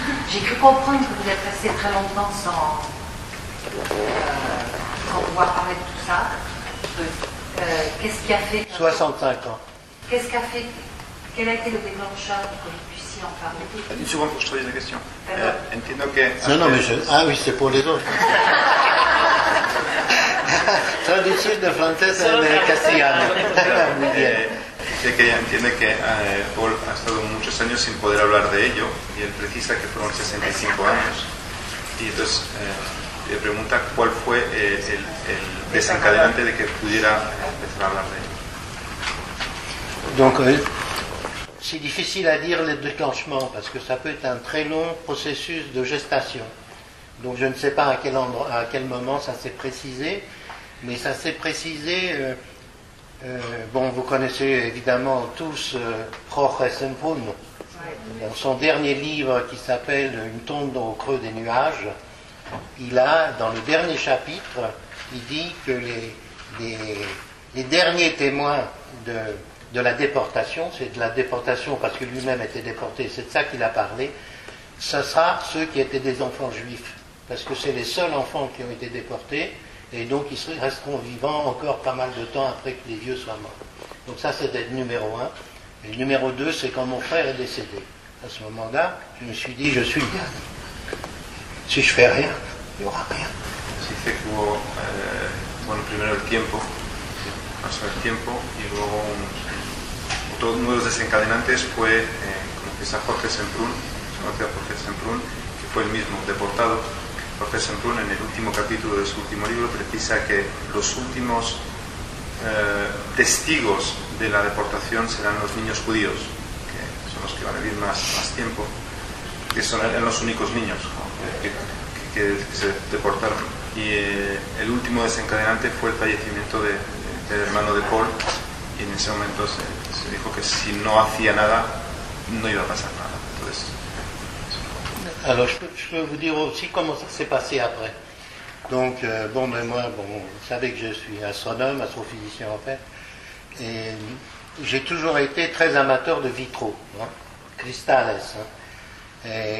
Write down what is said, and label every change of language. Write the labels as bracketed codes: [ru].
[fr] J'ai cru comprendre que vous êtes resté très longtemps sans pouvoir parler de tout ça. Qu'est-ce qui a fait? 65 ans. Qu'est-ce qui a fait? Quel a été le déclencheur pour que vous puissiez en parler? Une seconde, pour que je trouve la question. Ah oui, c'est pour les autres. [es] Traducción de francés en castellano. Dice que ella entiende que Paul ha estado muchos años sin poder hablar de ello y él precisa que fueron 65 años. Y entonces le pregunta cuál fue el desencadenante de que pudiera empezar a hablar de ello. [fr] Donc, c'est difficile à dire le déclenchement parce que ça peut être un très long processus de gestation. Donc, je ne sais pas à quel moment ça s'est précisé. Mais ça s'est précisé, vous connaissez évidemment tous Jorge Semprún, dans son dernier livre qui s'appelle « Une tombe au creux des nuages », il a, dans le dernier chapitre, il dit que les derniers témoins de la déportation, c'est de la déportation parce que lui-même était déporté, c'est de ça qu'il a parlé, ce sera ceux qui étaient des enfants juifs, parce que c'est les seuls enfants qui ont été déportés, et donc ils resteront vivants encore pas mal de temps après que les vieux soient morts. Donc ça c'était le numéro 1. Et le numéro 2 c'est quand mon frère est décédé. À ce moment-là, je me suis dit, je suis le dernier. Si je fais rien, il n'y aura rien. Si fait que vous, [es] primero el tiempo, y luego otro uno de los desencadenantes fue, empieza Jorge Semprún, se conoce a Jorge Semprún, que fue el mismo deportado. Jorge Semprún, en el último capítulo de su último libro, precisa que los últimos testigos de la deportación serán los niños judíos, que son los que van a vivir más tiempo, que son los únicos niños que se deportaron. Y el último desencadenante fue el fallecimiento del hermano de Paul, y en ese momento se dijo que si no hacía nada, no iba a pasar nada. Entonces, [fr] Alors, je peux vous dire aussi comment ça s'est passé après. Donc, vous savez que je suis astronome, astrophysicien en fait, et j'ai toujours été très amateur de vitraux, hein, cristales. Hein.